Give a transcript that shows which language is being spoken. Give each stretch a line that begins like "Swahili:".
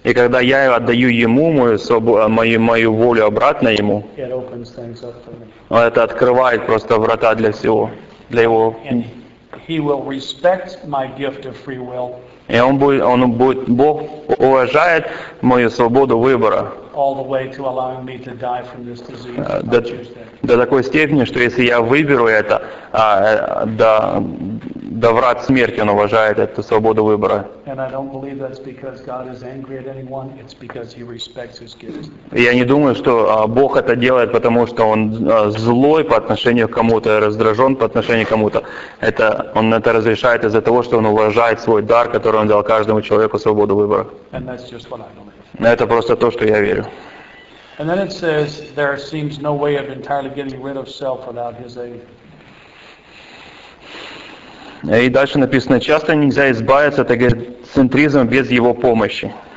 Russian: И когда я отдаю ему мою волю обратно ему.
English: It opens things up for me.
Russian: Это открывает просто врата для всего, для его.
English: And he will respect my gift of free will.
Russian: И он будет Бог уважает мою свободу выбора.
English: All the way to allowing me to die from this disease.
Russian: До такой степени, что если я выберу это, до врат смерти он уважает эту свободу выбора.
English: And I don't believe that's because God is angry at anyone. It's because he respects his gifts.
Russian: Я не думаю, что Бог это делает, потому что он злой по отношению к кому-то, раздражен по отношению к кому-то. Это он это разрешает из-за того, что он уважает свой дар, который он дал каждому человеку свободу выбора.
English: And that's just what I believe.
Russian: Это просто то, что я верю.
English: And then it says there seems no way of entirely getting rid of self without his aid.
Russian: И дальше написано, часто нельзя избавиться от эгоцентризма без его помощи.